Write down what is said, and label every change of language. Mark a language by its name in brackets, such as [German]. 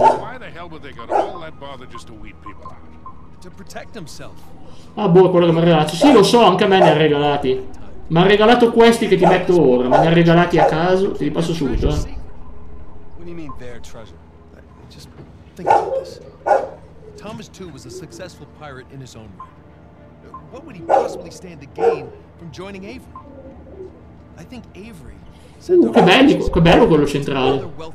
[English] Why the hell would they got all that bother just to weed people out? To protect himself. [Italian] Ah boh, quello che mi ha regalato. Sì, lo so, anche a me ne ha regalati. Mi ha regalato questi che ti metto ora, me ne ha regalati a caso, te li passo subito, eh. [English] What do you mean their treasure? Just think about this. Thomas Two was a successful pirate in his own right. What would he possibly stand to gain from joining Avery? I think Avery. [Italian] Che bello quello centrale.